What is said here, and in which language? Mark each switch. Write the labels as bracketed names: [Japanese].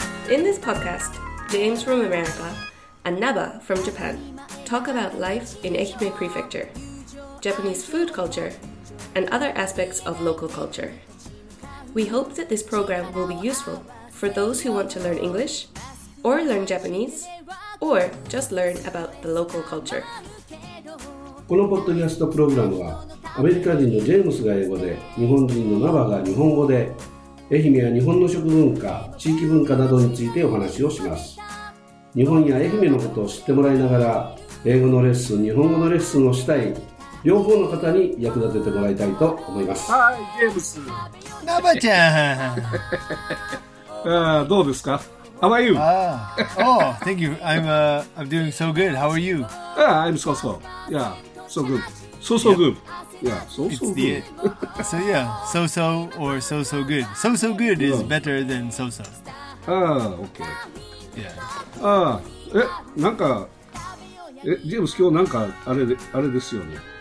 [English] In this podcast, James from America and Naba from Japan talk about life in Ehime Prefecture, Japanese food culture, and other aspects of local culture. We hope that this program will be useful for those who want to learn English, or learn Japanese, or just learn about the local culture. [Japanese] このポッドキャストプログラムは、アメリカ人のジェームスが英語で、日本人のナバが日本語で、愛媛や日本の食文化、地域文化などについてお話をします。日本や愛媛のことを知ってもらいながら、英語のレッスン、日本語のレッスンをしたい、両方の方に役立ててもらいたいと思います。はい、ジェームス。ナバちゃん。どうですか？ [English] How are you? Oh, thank you. I'm doing so good. How are you? I'm so so. Yeah, so good. So so good. So yeah, so so or so so good. So so good is better than so so. Okay. Yeah. [Japanese] ジェームス、今日なんかあれですよね。